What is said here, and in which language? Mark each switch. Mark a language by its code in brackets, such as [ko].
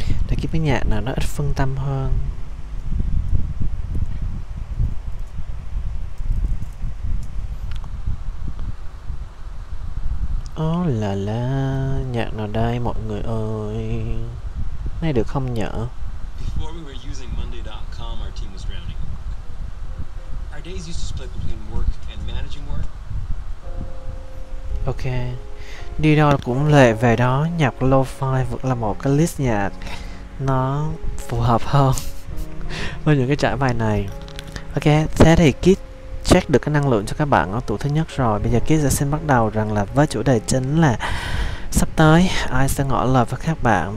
[vi] Để Kit cái nhạc nào nó ít phân tâm hơn. Ô là là, nhạc nào đây mọi người ơi, này được không nhở? [en] Before we were using monday.com, our team was drowning. Our days used to split between work and managing work. [vi] Ok, đi đâu cũng lệ về đó, nhạc lo-fi vẫn là một cái list nhạc nó phù hợp hơn với những cái trải bài này. Ok, thế thì Kit check được cái năng lượng cho các bạn ở tụ thứ nhất rồi. Bây giờ Kit sẽ xin bắt đầu rằng là với chủ đề chính là sắp tới ai sẽ ngỏ lời với các bạn.